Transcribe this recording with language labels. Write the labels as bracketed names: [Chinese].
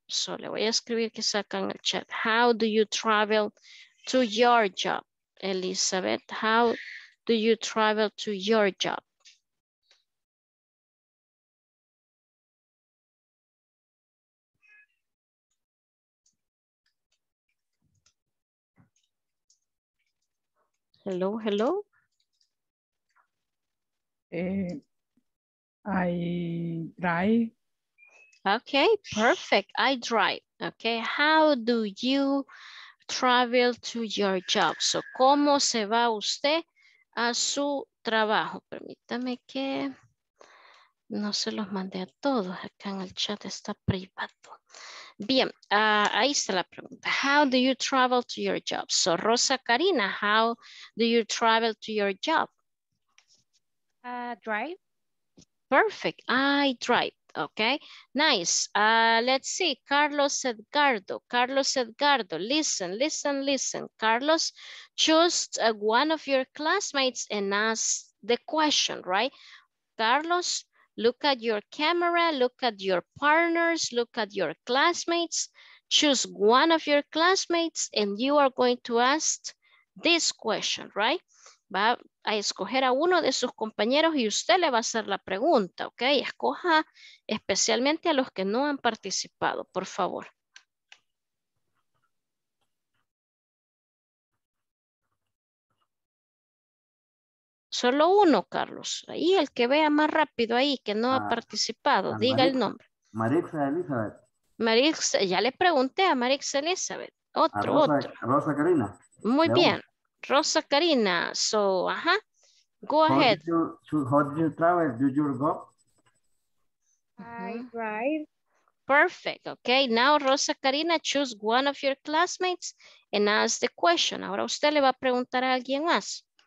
[Spanish] So le voy a escribir que sacan el chat. [English] How do you travel to your job, Elizabeth? How do you travel to your job? Hello, hello. I drive. Okay, perfect. I drive. Okay, how do you travel to your job? [Spanish] So, ¿cómo se va usted a su trabajo? Permítame que no se los mandé a todos. Acá en el chat está privado. Bien, ahí está la pregunta. [English] How do you travel to your job? So, Rosa Karina, how do you travel to your job? Drive. Perfect. I drive. Okay, nice. Let's see, Carlos Edgardo. Carlos Edgardo, listen, listen, listen. Carlos, choose one of your classmates and ask the question, right? Carlos, look at your camera, look at your partners, look at your classmates. Choose one of your classmates and you are going to ask this question, right? [Spanish] Va a escoger a uno de sus compañeros y usted le va a hacer la pregunta, ¿ok? Escoja especialmente a los que no han participado, por favor. Solo uno, Carlos. Ahí el que vea más rápido ahí, que no ha participado. Diga el nombre. Marixa Elizabeth. Marixa, ya le pregunté a Marixa Elizabeth. Otro, Rosa, otro. Rosa Karina. Muy bien. Rosa Karina. So, ajá. [English] Go ahead. How do you travel? Do you go? I ride. Perfect. Okay. Now, Rosa Karina, choose one of your classmates and ask the question. [Spanish] Ahora usted le va a preguntar a alguien más.